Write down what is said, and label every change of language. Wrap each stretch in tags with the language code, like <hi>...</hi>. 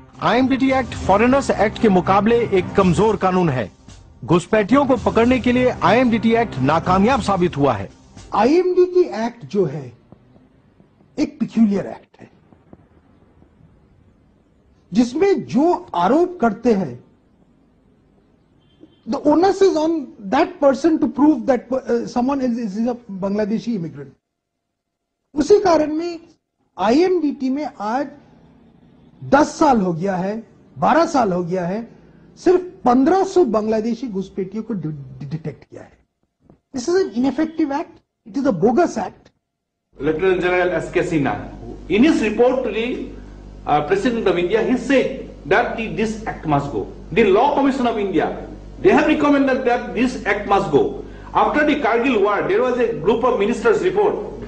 <hi>IMDT act foreigners act के मुकाबले एक कमजोर कानून है, घुसपैठियों को पकड़ने के लिए IMDT एक्ट नाकामयाब साबित हुआ है। IMDT एक्ट जो है एक पिक्यूलियर एक्ट है जिसमें जो आरोप करते हैं</hi> <en>The onus is on that person to prove that someone else is a Bangladeshi immigrant.</en> <hi>उसी कारण में INDT में आज 10 साल हो गया है, 12 साल हो गया है, सिर्फ 1500 बांग्लादेशी घुसपैठियों को डिटेक्ट किया है.</hi> <en>This is an ineffective act. It is a bogus act. Lieutenant General S.K. Sinha, in his report to the President of India, he said that this act must go. The Law Commission of India, they have recommended that this act must go. After the Kargil war, there was a group of ministers' report.</en>